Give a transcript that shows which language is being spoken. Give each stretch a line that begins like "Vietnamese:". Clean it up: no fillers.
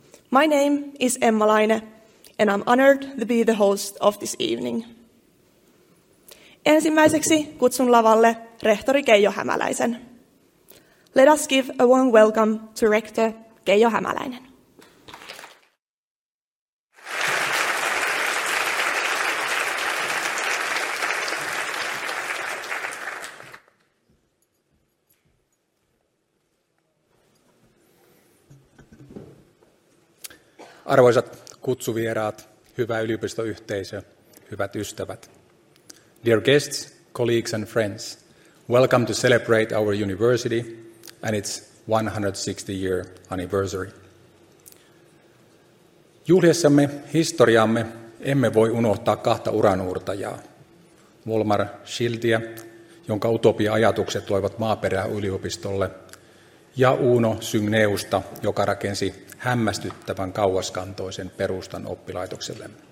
English: My name is Emma Laine, and I'm honored to be the host of this evening.
Finnish: Ensimmäiseksi kutsun lavalle rehtori Keijo Hämäläisen.
English: Let us give a warm welcome to rector Keijo Hämäläinen.
Finnish: Arvoisat kutsuvieraat, hyvä yliopistoyhteisö, hyvät ystävät.
English: Dear guests, colleagues and friends, welcome to celebrate our university and its 160-year anniversary.
Finnish: Juhliessamme historiamme emme voi unohtaa kahta uranuurtajaa. Volmar Schildtiä, jonka utopia-ajatukset toivat maaperää yliopistolle, ja Uno Syngneusta, joka rakensi hämmästyttävän kauaskantoisen perustan oppilaitokselle.